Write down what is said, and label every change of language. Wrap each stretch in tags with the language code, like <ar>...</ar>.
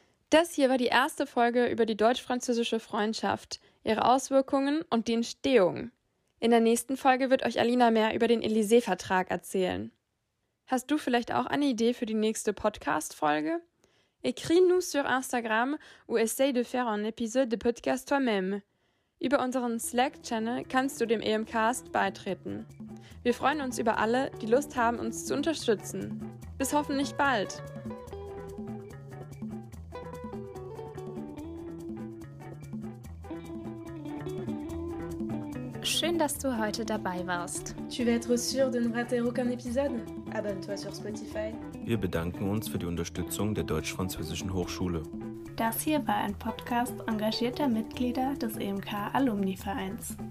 <de>Das hier war die erste Folge über die deutsch-französische Freundschaft, ihre Auswirkungen und die Entstehung. In der nächsten Folge wird euch Alina mehr über den Élysée-Vertrag erzählen. Hast du vielleicht auch eine Idee für die nächste Podcast-Folge?</de> <fr>Écris-nous sur Instagram ou essaye de faire un épisode de podcast toi-même.</fr> <de>Über unseren Slack-Channel kannst du dem EMCast beitreten. Wir freuen uns über alle, die Lust haben, uns zu unterstützen. Bis hoffentlich bald! Schön, dass du heute dabei warst.</de> <fr>Tu vas être sûr de ne rater aucun épisode? Abonne-toi sur Spotify.</fr> <de>Wir bedanken uns für die Unterstützung der Deutsch-Französischen Hochschule. Das hier war ein Podcast engagierter Mitglieder des EMK-Alumni-Vereins.</de>